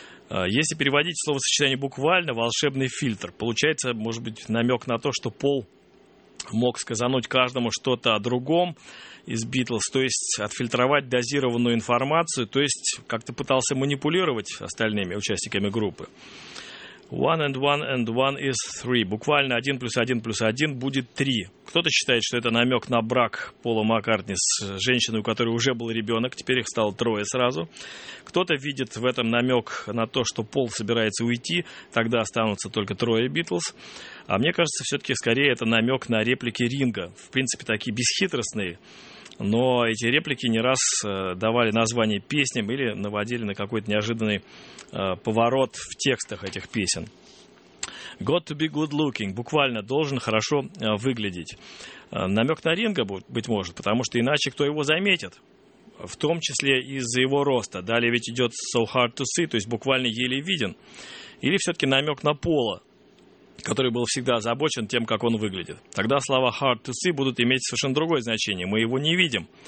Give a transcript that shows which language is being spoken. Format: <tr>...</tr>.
<ru>Если переводить словосочетание буквально, волшебный фильтр. Получается, может быть, намек на то, что Пол мог сказануть каждому что-то о другом из Битлз, то есть отфильтровать дозированную информацию, то есть как-то пытался манипулировать остальными участниками группы.</ru> <en>One and one and one is three.</en> <ru>Буквально один плюс один плюс один будет три. Кто-то считает, что это намек на брак Пола Маккартни с женщиной, у которой уже был ребенок, теперь их стало трое сразу. Кто-то видит в этом намек на то, что Пол собирается уйти, тогда останутся только трое Битлз. А мне кажется, все-таки скорее это намек на реплики Ринга. В принципе, такие бесхитростные. Но эти реплики не раз давали название песням или наводили на какой-то неожиданный поворот в текстах этих песен.</ru> <en>«Got to be good looking»</en> <ru>– буквально «должен хорошо выглядеть». Намек на Ринга, быть может, потому что иначе кто его заметит? В том числе из-за его роста. Далее ведь идет</ru> <en>«so hard to see»,</en> <ru>то есть буквально еле виден. Или все-таки намек на Пола, который был всегда озабочен тем, как он выглядит. Тогда слова</ru> <en>«hard to see»</en> <ru>будут иметь совершенно другое значение. Мы его не видим.</ru>